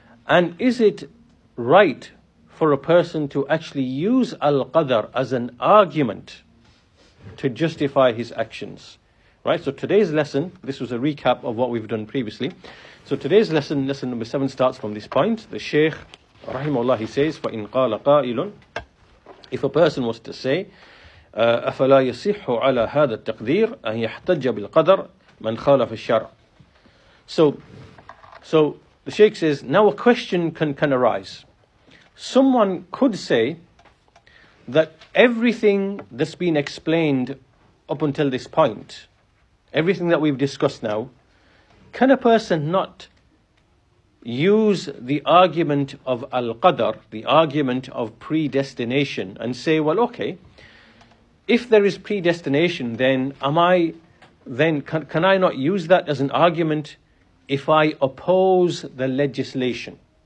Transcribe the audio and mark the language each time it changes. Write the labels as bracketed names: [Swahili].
[English] And is it right for a person to actually use Al-Qadr as an argument to justify his actions? Right, so today's lesson, this was a recap of what we've done previously. So today's lesson, lesson number 7, starts from this point. The Shaykh, rahimahullah, he says, [Arabic] فَإِنْ قَالَ قَائِلٌ, [English] if a person was to say, [Arabic] أَفَلَا يَصِحُ عَلَى هَذَا التَّقْدِيرُ أَنْ يَحْتَجَّ بِالْقَدَرُ مَنْ خَالَفَ الشَّرْعُ. [English] So the Shaykh says, now a question can arise. Someone could say that everything that's been explained up until this point, everything that we've discussed now, can a person not use the argument of Al-Qadr, the argument of predestination, and say, well, okay, if there is predestination, then can I not use that as an argument if I oppose the legislation?